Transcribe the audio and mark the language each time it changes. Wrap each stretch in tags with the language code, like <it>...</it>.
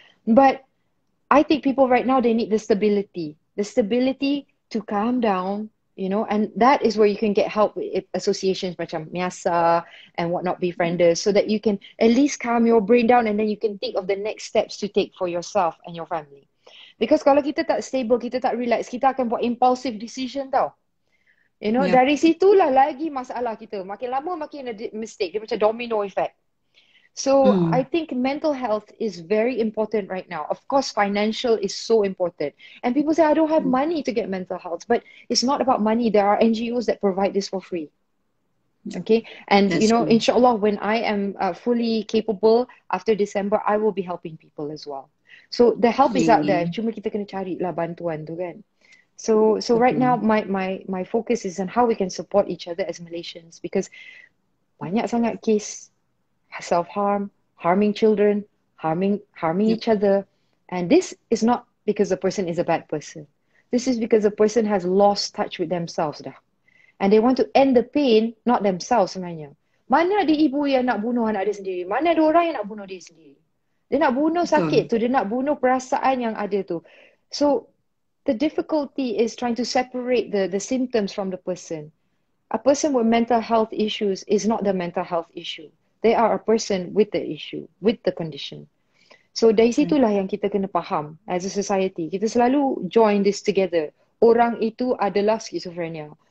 <en>But I think people right now, they need the stability to calm down, you know, and that is where you can get help with associations macam Miasa and whatnot, befrienders, so that you can at least calm your brain down and then you can think of the next steps to take for yourself and your family.</en> <ms>Because kalau kita tak stable, kita tak relax, kita akan buat impulsive decision tau.</ms> <en>You know,</en> <ms>dari situlah lagi masalah kita. Makin lama, makin ada mistake. Dia macam domino effect.</ms> <en>So, I think mental health is very important right now. Of course, financial is so important. And people say, I don't have money to get mental health. But it's not about money. There are NGOs that provide this for free. Okay? And, that's you know, cool. Inshallah, when I am fully capable after December, I will be helping people as well. So the help is out there.</en> <ms>Cuma kita kena cari lah bantuan tu kan.</ms> <en>So right now my focus is on how we can support each other as Malaysians, because</en> <ms>banyak sangat</ms> <en>case self harm, harming children, harming each other, and this is not because the person is a bad person. This is because the person has lost touch with themselves dah, and they want to end the pain, not themselves sebenarnya.</en> <ms>Mana ada ibu yang nak bunuh anak dia sendiri? Mana ada orang yang nak bunuh dia sendiri? Dia nak bunuh sakit tu, dia nak bunuh perasaan yang ada tu.</ms> <en>So the difficulty is trying to separate the symptoms from the person. A person with mental health issues is not the mental health issue. They are a person with the issue, with the condition.</en> <ms>So dari situlah yang kita kena faham</ms> <en>as a society.</en> <ms>Kita selalu</ms> <en>join this together.</en> <ms>Orang itu adalah schizophrenia.</ms>